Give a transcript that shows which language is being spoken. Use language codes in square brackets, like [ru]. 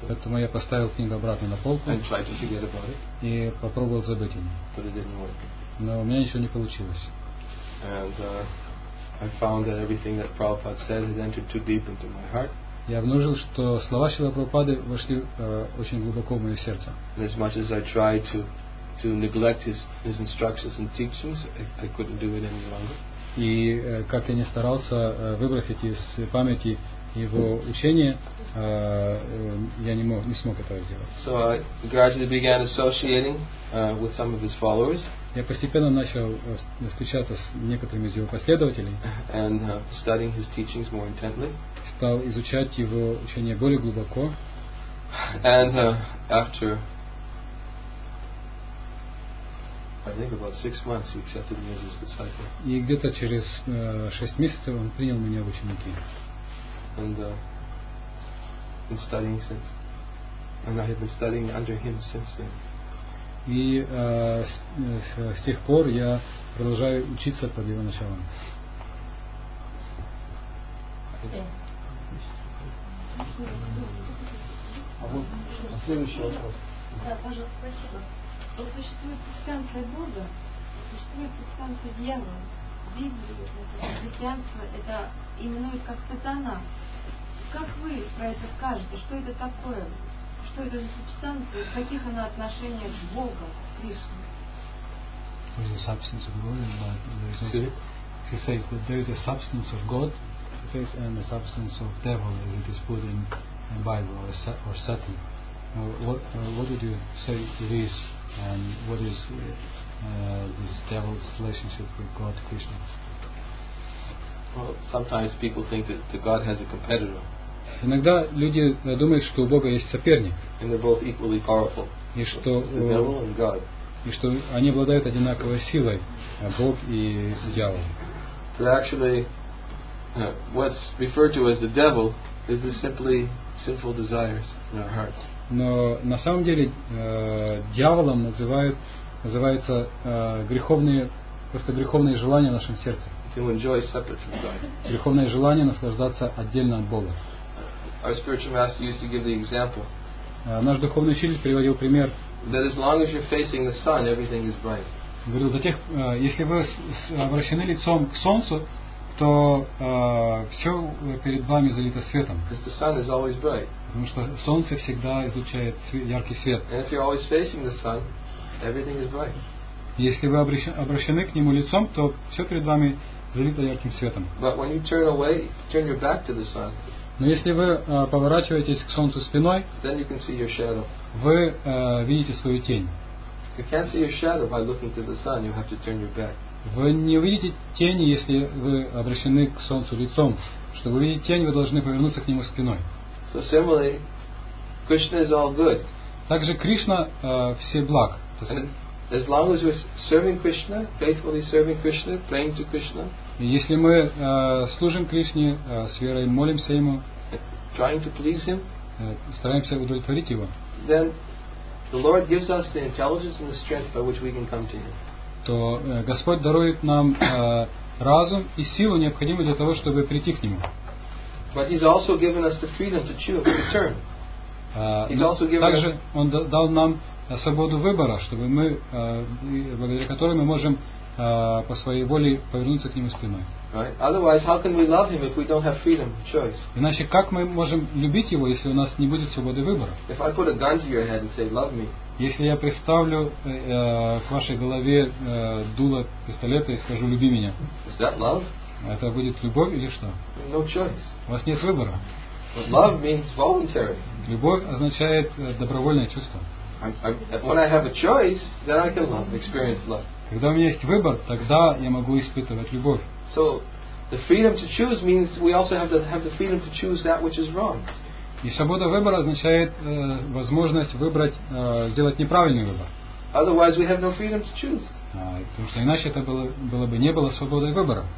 [ru] Поэтому я поставил книгу обратно на полку. [en] And tried to forget about it. [ru] И попробовал забыть о ней. [en] But it didn't work. [ru] Но у меня ничего не получилось. [en] And I found that everything that Prabhupada said had entered too deep into my heart. [ru] Я обнаружил, что слова Шрилы Прабхупады вошли очень глубоко в мое сердце. [en] And as much as I tried to neglect his instructions and teachings, I couldn't do it any longer. [ru] И как я не старался выбросить из памяти его учение, я не смог этого сделать. [en] So I gradually began associating with some of his followers. [ru] Я постепенно начал встречаться с некоторыми из его последователей. [en] And studying his teachings more intently. [ru] Стал изучать его учение более глубоко. [en] And after I think about 6 months, he accepted me as his disciple. [ru] И где-то через 6 месяцев он принял меня в ученики. [en] And been studying since, and I have been studying under him since then. [ru] И с тех пор я продолжаю учиться под его началом. А вот следующий вопрос. Да, пожалуйста, спасибо. Вот существует субстанция Бога, существует субстанция дьявола. Библия, христианство, это именует как сатана. Как вы про это скажете? Что это такое? Что это за субстанция? В каких она отношениях с Богом, с Кришной? [en] There is a substance of God, but there is a, he says that there is a substance of God, he says, and a substance of devil, as it is put in the Bible, or Satan. What did you say it is, and what is this devil's relationship with God, Krishna? Well, sometimes people think that God has a competitor. [ru] Иногда люди думают, что у Бога есть соперник. [en] And they're both equally powerful. [ru] И что [en] the devil and God. [ru] И что они обладают одинаковой силой, Бог и дьявол. [en] But actually, what's referred to as the devil is the simply sinful desires in our hearts. [ru] Но на самом деле дьяволом называются греховные желания в нашем сердце. [en] To enjoy separate from God. [ru] Греховное желание наслаждаться отдельно от Бога. [en] Our spiritual master used to give the example. [ru] Наш духовный учитель приводил пример. [en] That as long as you're facing the sun, everything is bright. [ru] Говорил, до тех, если вы обращены лицом к солнцу, то все перед вами залито светом. [en] Because the sun is always bright. [ru] Потому что солнце всегда излучает яркий свет. [en] And if you're always facing the sun, everything is bright. [ru] Если вы обращены к нему лицом, то все перед вами залито ярким светом. [en] But when you turn away, turn your back to the sun. [ru] Но если вы поворачиваетесь к солнцу спиной, [en] then you can see your shadow. [ru] Вы видите свою тень. [en] You can't see your shadow by looking to the sun. You have to turn your back. [ru] Вы не увидите тени, если вы обращены к солнцу лицом. Чтобы увидеть тень, вы должны повернуться к нему спиной. [en] So similarly, Krishna is all good. [ru] Также Кришна все благ. [en] And as long as we're serving Krishna, faithfully serving Krishna, praying to Krishna. [ru] Если мы служим Кришне с верой, молимся ему, [en] trying to please him, [ru] стараемся удовлетворить его. [en] Then the Lord gives us the intelligence and the strength by which we can come to him. [ru] То Господь дарует нам разум и силу, необходимую для того, чтобы прийти к нему. [en] But he's also given us the freedom to choose to turn. [ru] Также он дал нам свободу выбора, чтобы мы благодаря которой мы можем по своей воле повернуться к нему спиной. [en] Right. Otherwise, how can we love him if we don't have freedom of choice? [ru] Иначе как мы можем любить его, если у нас не будет свободы выбора? [en] If I put a gun to your head and say, "Love me." [ru] Если я приставлю к вашей голове дуло пистолета и скажу, "Люби меня." [en] Is that love? [ru] Это будет любовь или что? [en] No choice. [ru] У вас нет выбора. [en] But love means voluntary. [ru] Любовь означает добровольное чувство. [en] When I have a choice, then I can love, experience love. [ru] Когда у меня есть выбор, тогда я могу испытывать любовь. [en] So the freedom to choose means we also have the freedom to choose that which is wrong. [ru] И свобода выбора означает возможность выбрать, сделать неправильный выбор. [en] Otherwise, we have no freedom to choose. [ru] Потому что иначе это было бы не было свободы выбора.